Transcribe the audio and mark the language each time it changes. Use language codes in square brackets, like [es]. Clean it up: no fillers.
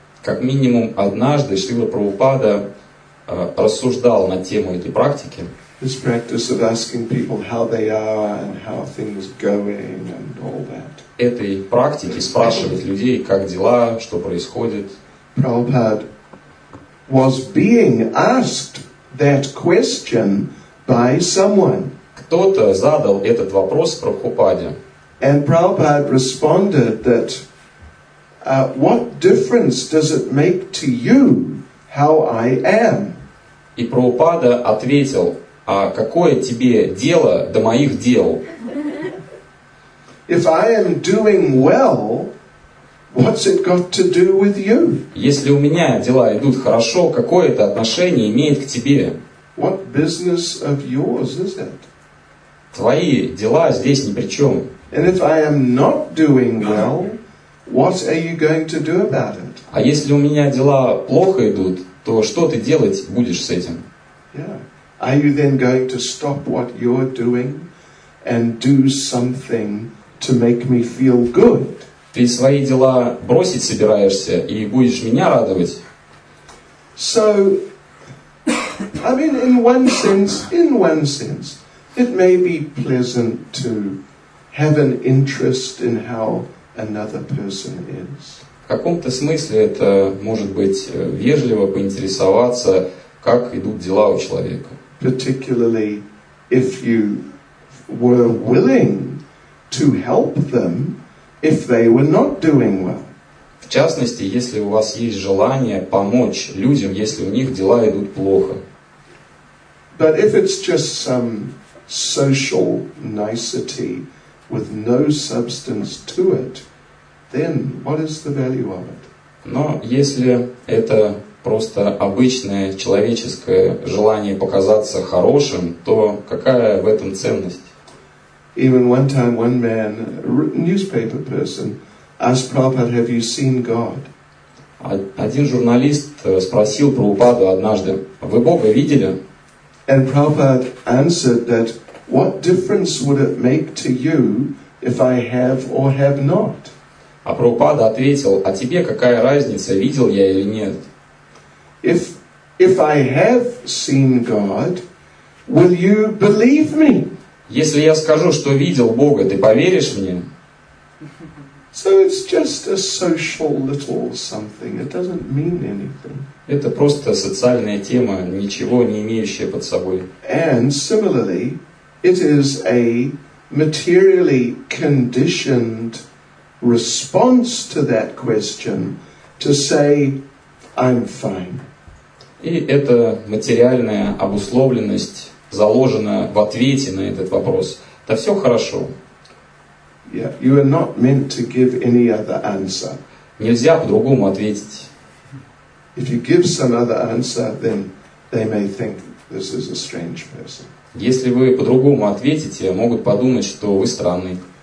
[ru] Как минимум однажды Шрила Прабхупада рассуждал на тему этой практики. [en] This practice of asking people how they are and how things going and all that. [ru] Этой практике спрашивать людей, как дела, что происходит. [en] Prabhupada was being asked that question by someone. [ru] Кто-то задал этот вопрос Прабхупаде. [en] And Prabhupada responded that, what difference does it make to you how I am? [ru] И Прабхупада ответил, а какое тебе дело до моих дел? [en] If I am doing well, what's it got to do with you? [ru] Если у меня дела идут хорошо, какое это отношение имеет к тебе? [en] What business of yours is it? [ru] Твои дела здесь ни при чем. [en] And if I am not doing well, what are you going to do about it? [ru] А если у меня дела плохо идут, то что ты делать будешь с этим? [en] Yeah. Are you then going to stop what you're doing and do something to make me feel good? [ru] Ты свои дела бросить собираешься и будешь меня радовать? [en] So, I mean, in one sense, it may be pleasant to have an interest in how another person is. [ru] В каком-то смысле это может быть вежливо поинтересоваться, как идут дела у человека. [en] Particularly if you were willing to help them if they were not doing well. [ru] В частности, если у вас есть желание помочь людям, если у них дела идут плохо. [en] But if it's just some social nicety with no substance to it, then what is the value of it? [ru] Но если это просто обычное человеческое желание показаться хорошим, то какая в этом ценность? [en] Even one time one man, newspaper person, asked Prabhupada, "Have you seen God?" [ru] Один журналист спросил Прабхупаду однажды, "Вы Бога видели?" [en] And Prabhupada answered that, "What difference would it make to you if I have or have not?" [ru] А Прабхупада ответил, а тебе какая разница, видел я или нет? [en] If I have seen God, will you believe me? [ru] Если я скажу, что видел Бога, ты поверишь мне? [en] So it's just a social little something. It doesn't mean anything. [ru] Это просто социальная тема, ничего не имеющая под собой. [en] And similarly, it is a materially conditioned response to that question to say, I'm fine. [ru] И это материальная обусловленность, заложенная в ответе на этот вопрос. Да все хорошо. [en] Yeah, you are not meant to give any other answer. [ru] Нельзя по-другому ответить. [en] If you give some other answer, then they may think this is a strange person. [ru] Если вы по-другому ответите, могут подумать, что вы странный.